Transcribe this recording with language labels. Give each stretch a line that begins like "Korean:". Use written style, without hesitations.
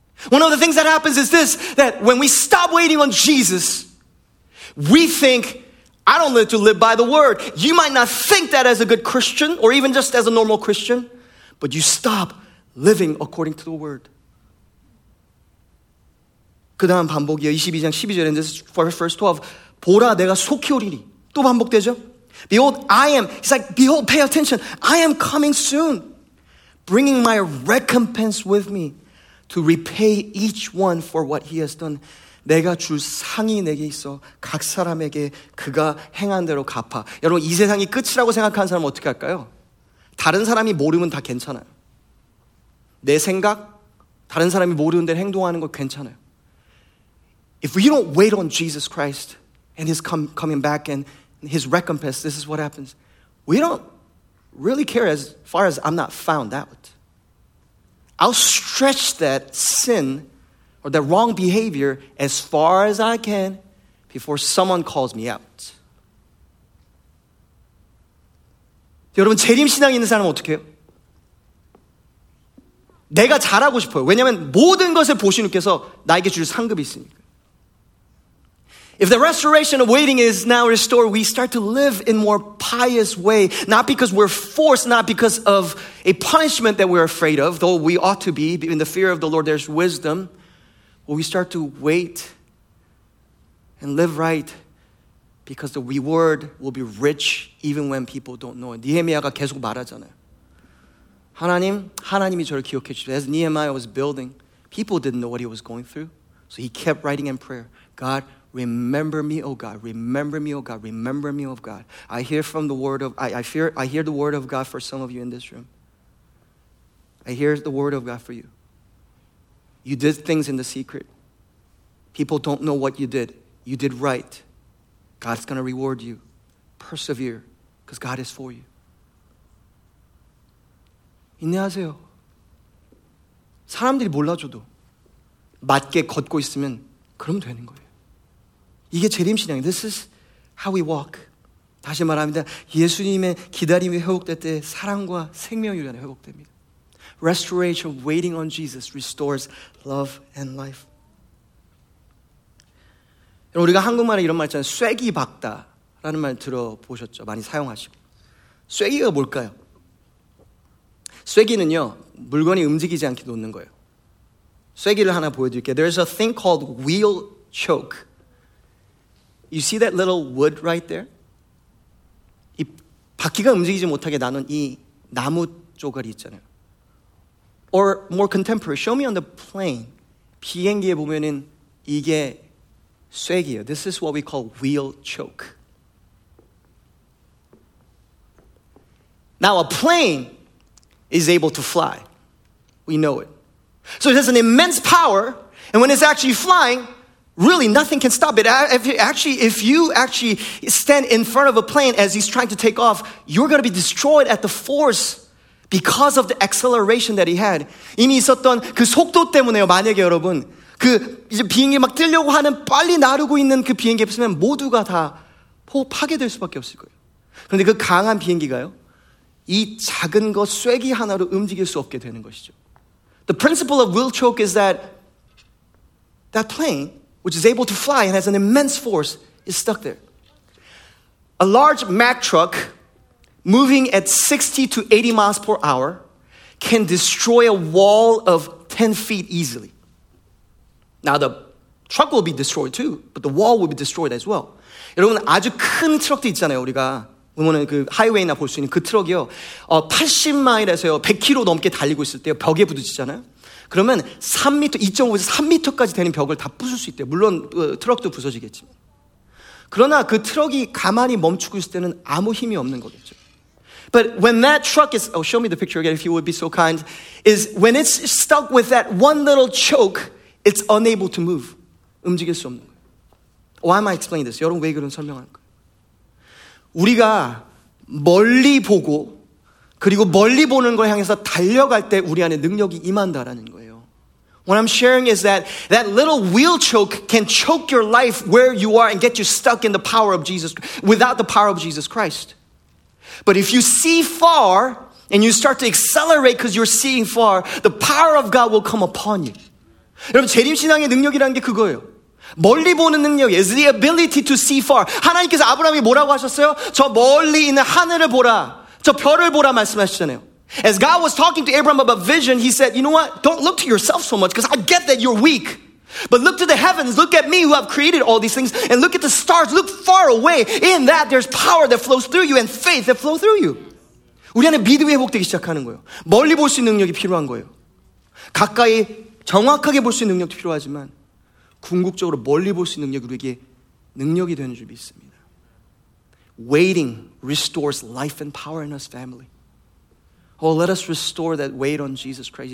English: One of the things that happens is this, that when we stop waiting on Jesus, we think, I don't live to live by the word. You might not think that as a good Christian or even just as a normal Christian, but you stop living according to the word.
Korean: 그 다음 반복이요. 22장 12절에
English: this is verse 12.
Korean: 보라, 내가 속히 오리니. 또 반복되죠?
English: Behold, I am. He's like, behold, pay attention. I am coming soon, bringing my recompense with me to repay each one for what he has done.
Korean: 내가 줄 상이 내게 있어 각 사람에게 그가 행한 대로 갚아. 여러분, 이 세상이 끝이라고 생각하는 사람은 어떻게 할까요? 다른 사람이 모르면 다 괜찮아요. 내 생각, 다른 사람이 모르는 대로 행동하는 거 괜찮아요.
English: If we don't wait on Jesus Christ and his coming back and his recompense, this is what happens. We don't really care as far as I'm not found out. I'll stretch that sin or that wrong behavior as far as I can before someone calls me out.
Korean: 여러분, 재림 신앙이 있는 사람은 어떻게 해요? 내가 잘하고 싶어요. 왜냐하면 모든 것을 보시는께서 나에게 줄 상급이 있으니까.
English: If the restoration of waiting is now restored, we start to live in more pious way. Not because we're forced, not because of a punishment that we're afraid of, though we ought to be. In the fear of the Lord, there's wisdom. We start to wait and live right because the reward will be rich even when people don't know it.
Korean: 니헤미야가 계속 말하잖아요. 하나님, 하나님이 저를 기억해 주세요.
English: As Nehemiah was building, people didn't know what he was going through. So he kept writing in prayer, God, remember me, O God. Remember me, O God. Remember me, O God. I hear the word of God for some of you in this room. I hear the word of God for you. You did things in the secret. People don't know what you did. You did right. God's going to reward you. Persevere, because God is for you.
Korean: 인내하세요. 사람들이 몰라줘도 맞게 걷고 있으면 그럼 되는 거예요. 이게 재림신앙이에요.
English: This is how we walk.
Korean: 다시 말합니다. 예수님의 기다림이 회복될 때 사랑과 생명이 우리 안에 회복됩니다.
English: Restoration, waiting on Jesus, restores love and life.
Korean: 여러분, 우리가 한국말에 이런 말 있잖아요. 쐐기 박다라는 말 들어보셨죠? 많이 사용하시고. 쐐기가 뭘까요? 쐐기는요, 물건이 움직이지 않게 놓는 거예요. 쐐기를 하나 보여드릴게요.
English: There's a thing called wheel choke. You see that little wood right there?
Korean: 이 바퀴가 움직이지 못하게 나눈 이 나무 조각이 있잖아요.
English: Or more contemporary, show me on the plane.
Korean: 비행기에 보면은 이게 쐐기예요.
English: This is what we call wheel choke. Now a plane is able to fly. We know it. So it has an immense power, and when it's actually flying, really nothing can stop it. If you stand in front of a plane as he's trying to take off, you're going to be destroyed at the force because of the acceleration that he had.
Korean: 이미 있었던 그 속도 때문에요. 만약에 여러분 그 이제 비행기 막 뛰려고 하는 빨리 나르고 있는 그 비행기 없으면 모두가 다 파괴될 수밖에 없을 거예요. 그런데 그 강한 비행기가요, 이 작은 것 쐐기 하나로 움직일 수 없게 되는 것이죠.
English: The principle of will choke is that plane, which is able to fly and has an immense force, is stuck there. A large Mack truck moving at 60 to 80 miles per hour can destroy a wall of 10 feet easily. Now the truck will be destroyed too, but the wall will be destroyed as well.
Korean: 여러분 아주 큰 트럭도 있잖아요. 우리가 오늘 그 하이웨이나 볼 수 있는 그 트럭이요. 80마일에서요 100km 넘게 달리고 있을 때요 벽에 부딪히잖아요. 그러면 3m, 2.5에서 3m까지 되는 벽을 다 부술 수 있대요. 물론 트럭도 부서지겠지. 그러나 그 트럭이 가만히 멈추고 있을 때는 아무 힘이 없는 거겠죠.
English: But when that truck is, oh, show me the picture again if you would be so kind, is when it's stuck with that one little choke, it's unable to move.
Korean: 움직일 수 없는 거예요.
English: Why am I explaining this?
Korean: 여러분 왜 그런 설명하는 거예요? 우리가 멀리 보고 그리고 멀리 보는 걸 향해서 달려갈 때 우리 안에 능력이 임한다라는 거예요.
English: What I'm sharing is that little wheel choke can choke your life where you are and get you stuck in the power of Jesus, without the power of Jesus Christ. But if you see far and you start to accelerate because you're seeing far, the power of God will come upon you.
Korean: 여러분 재림 신앙의 능력이라는 게 그거예요. 멀리 보는 능력,
English: is the ability to see far.
Korean: 하나님께서 아브라함이 뭐라고 하셨어요? 저 멀리 있는 하늘을 보라. 저 별을 보라 말씀하셨잖아요.
English: As God was talking to Abraham about vision, he said, you know what? Don't look to yourself so much because I get that you're weak. But look to the heavens, look at me who have created all these things and look at the stars, look far away. In that, there's power that flows through you and faith that flows through you.
Korean: 우리 안에 믿음이 회복되기 시작하는 거예요. 멀리 볼 수 있는 능력이 필요한 거예요. 가까이 정확하게 볼 수 있는 능력도 필요하지만 궁극적으로 멀리 볼 수 있는 능력이 우리에게 능력이 되는 줄 믿습니다.
English: Waiting restores life and power in us, family. Oh, let us restore that wait on Jesus Christ.